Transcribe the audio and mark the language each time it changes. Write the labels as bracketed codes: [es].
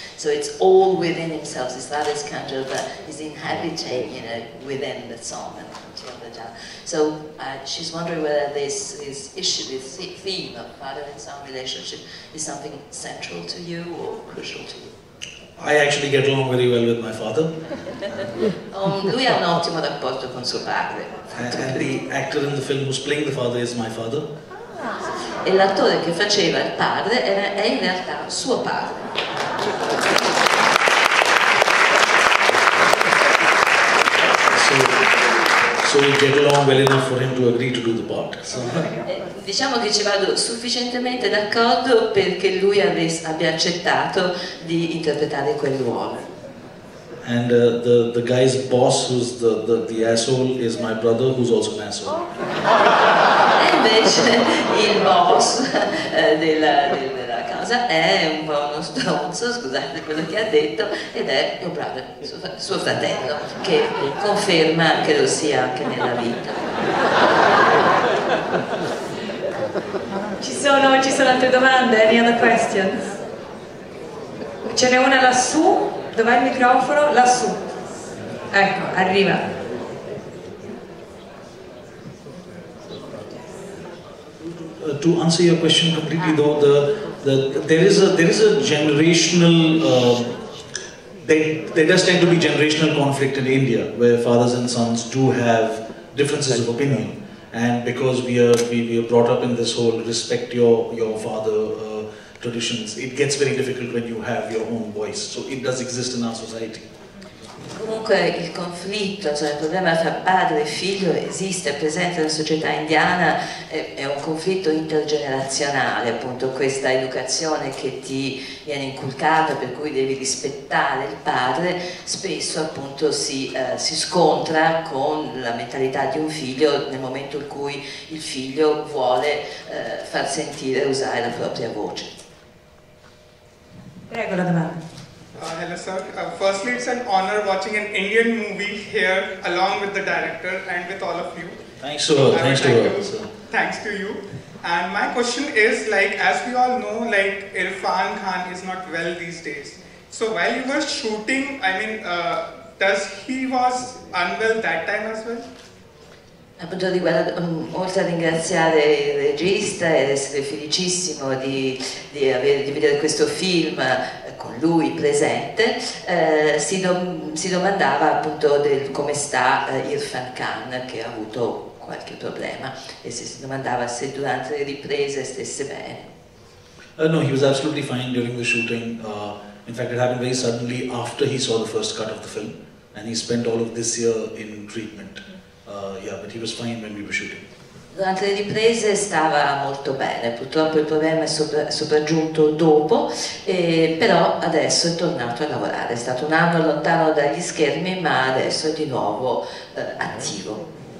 [en] So it's all within himself. His father is kind of, he's inhabiting, you know, within the son and until that. Adele. So she's wondering whether this issue, this theme of father and son relationship is something central to you or crucial to you. I actually get along very well with my father. [it] Lui ha un ottimo rapporto con suo padre. [en] And the actor in the film who's playing the father is my father. [it] E l'attore che faceva il padre è in realtà suo padre. [en] So we get along well enough for him to agree to do the part. So. [it] Diciamo che ci vado sufficientemente d'accordo perché lui abbia accettato di interpretare quel ruolo. [en] And the guy's boss, who's the asshole, is my brother, who's also an asshole. [it] E invece il boss della casa è un po' uno stronzo, scusate quello che ha detto, ed è mio brother, suo fratello, che conferma che lo sia anche nella vita. Ci sono altre domande? [en] Any other questions? [it] Ce n'è una lassù. Dov'è il microfono? Lassù. Ecco, arriva. [en] To answer your question completely, though, there is a generational there does tend to be generational conflict in India, where fathers and sons do have differences of opinion. And because we are brought up in this whole respect your father traditions, it gets very difficult when you have your own voice. So it does exist in our society. [it] Comunque il conflitto, cioè il problema fra padre e figlio esiste, è presente nella società indiana, è un conflitto intergenerazionale, appunto questa educazione che ti viene inculcata per cui devi rispettare il padre, spesso appunto si scontra con la mentalità di un figlio nel momento in cui il figlio vuole far sentire e usare la propria voce. Prego la domanda. [en] Hello sir. Firstly, it's an honor watching an Indian movie here along with the director and with all of you. Thanks to you. And my question is, like, as we all know, like, Irfan Khan is not well these days. So while you were shooting, I mean, does he was unwell that time as well? [it] Appunto di quella, oltre a ringraziare il regista ed essere felicissimo di vedere questo film con lui presente, si domandava appunto del come sta Irfan Khan, che ha avuto qualche problema, e si domandava se durante le riprese stesse bene. [en] No, he was absolutely fine during the shooting. In fact, it happened very suddenly after he saw the first cut of the film, and he spent all of this year in treatment. But he was fine when we were shooting. [it] Durante le riprese stava molto bene, purtroppo il problema è sopraggiunto dopo, però adesso è tornato a lavorare. È stato un anno lontano dagli schermi, ma adesso è di nuovo attivo.